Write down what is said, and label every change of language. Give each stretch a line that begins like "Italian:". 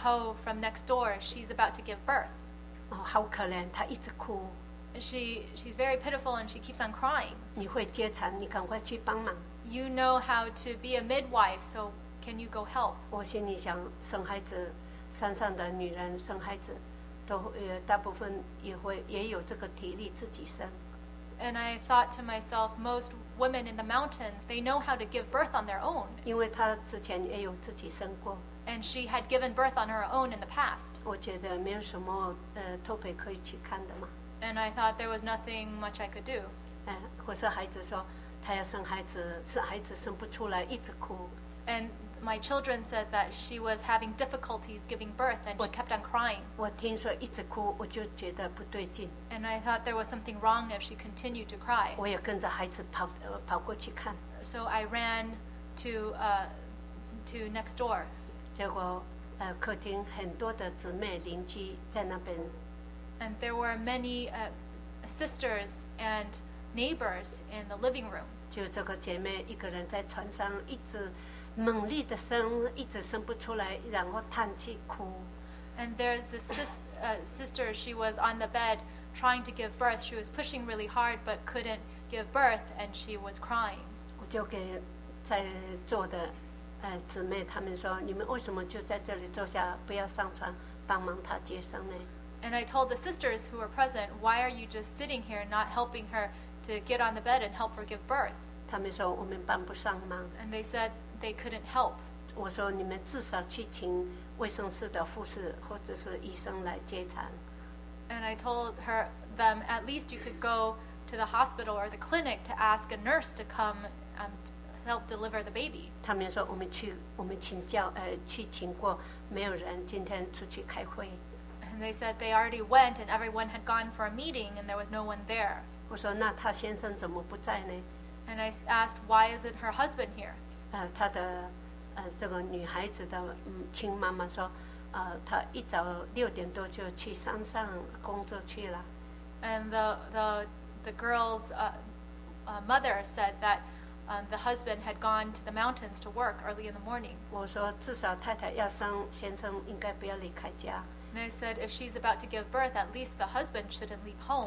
English: Ho from next door, she's about to give birth.
Chinese: 好可怜，她一直哭。
English: She's very pitiful and she keeps on crying.
Chinese: 你会接产，你赶快去帮忙。
English: You know how to be a midwife, so can you go help?
Chinese: 我心里想生孩子。山上的女人生孩子都大部分也有这个体力自己生
English: and I thought to myself most women in the mountains they know how to give birth on their own
Chinese: 因为她之前也有自己生过
English: and she had given birth on her own in the past
Chinese: 我觉得没有什么特别可以去看的嘛
English: and I thought there was nothing much I could do
Chinese: 或是孩子说她要生孩子是孩子生不出来一直哭
English: andMy children said that she was having difficulties giving birth and she kept on crying.
Chinese: 我听说一直哭，我就觉得不对劲。
English: And I thought there was something wrong if she continued to cry.
Chinese: 我也跟着孩子跑过去看。
English: So I ran to next door.
Chinese: 结果客厅很多的姊妹邻居在那边。
English: And there were many sisters and neighbors in the living room.
Chinese: 就这个姐妹一个人在床上一直猛烈的生，一直生不出来，然后叹气哭。
English: And there's this sister, she was on the bed trying to give birth. She was pushing really hard but couldn't give birth and she was crying.
Chinese: 我就给在座的姊妹他们说，你们为什么就在这里坐下，不要上床帮忙她接生呢？
English: And I told the sisters who were present, why are you just sitting here not helping her to get on the bed and help her give birth?
Chinese: 他们说我们帮不上忙。
English: And they said,They couldn't help.
Chinese: 我说你们至少去请卫生室的护士或者是医生来接产。
English: And I told them at least you could go to the hospital or the clinic to ask a nurse to come and help deliver the baby.
Chinese: 他们说我们请教去请过，没有人今天出去开会。
English: And they said they already went and everyone had gone for a meeting and there was no one there.
Chinese: 我说那他先生怎么不在呢
English: ？And I asked why isn't her husband here?
Chinese: 她的这个女孩子的亲妈妈说她一早六点多就去山上工作去了
English: and the girl's mother said that The husband had gone to the mountains to work early in the morning.
Chinese: 我说至少太太要生，先生应该不要离开家。
English: And I said, if she's about to give birth, at least the husband shouldn't leave home.